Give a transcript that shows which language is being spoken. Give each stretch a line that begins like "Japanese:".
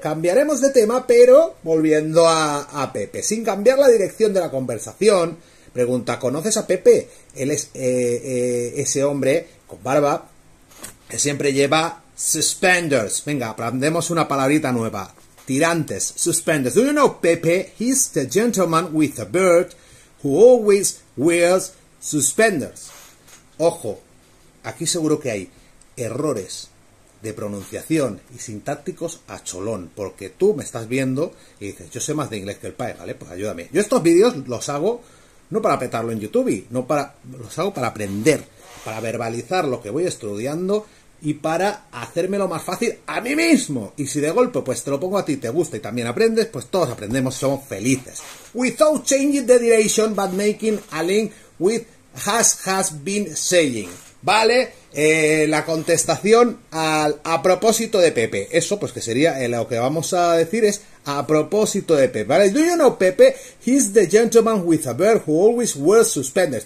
Spanish: Cambiaremos de tema, pero volviendo a Pepe. Sin cambiar la dirección de la conversación, pregunta, ¿conoces a Pepe? Él es ese hombre con barba, que siempre lleva suspenders. Venga, aprendemos una palabrita nueva. Tirantes, suspenders.
English: Do you know Pepe? He's the gentleman with a beard who always wears suspenders.
Spanish: Ojo, aquí seguro que hay errores de pronunciación y sintácticos a cholón, porque tú me estás viendo y dices, yo sé más de inglés que el pae, ¿vale? Pues ayúdame. Yo estos vídeos los hago no para petarlo en YouTube, y no para, los hago para aprender, para verbalizar lo que voy estudiando y para hacérmelo más fácil a mí mismo. Y si de golpe pues te lo pongo a ti, te gusta y también aprendes, pues todos aprendemos, somos felices.
English: Without changing the direction, but making a link with has been saying.
Spanish: ¿Vale? La contestación a propósito de Pepe. Eso pues que sería lo que vamos a decir es a propósito de Pepe.
English: ¿Vale? Do you know Pepe? He's the gentleman with a beard who always wears suspenders.